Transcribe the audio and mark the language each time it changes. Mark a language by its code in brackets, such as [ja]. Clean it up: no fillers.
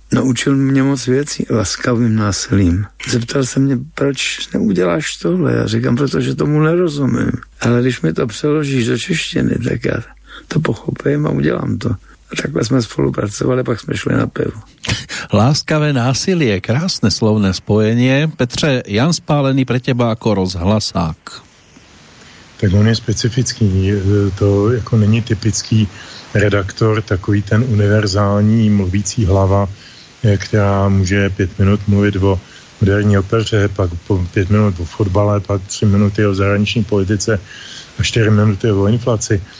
[cs] Naučil mě moc věcí laskavým násilím. Zeptal se mě, proč neuděláš tohle? Já říkám, protože tomu nerozumím. Ale když mi to přeložíš do češtiny, tak já to pochopím a udělám to. A takhle jsme spolupracovali, pak jsme šli na pivo. [sk] Láskavé násilí je krásné slovné spojenie. Petře, Jan Spálený pre teba ako rozhlasák. [cs] Tak on je specifický, to jako není typický redaktor, takový ten univerzální mluvící hlava, která může pět minut mluvit o moderní opeře, pak pět minut o fotbale, pak tři minuty o zahraniční politice a čtyři minuty o inflaci.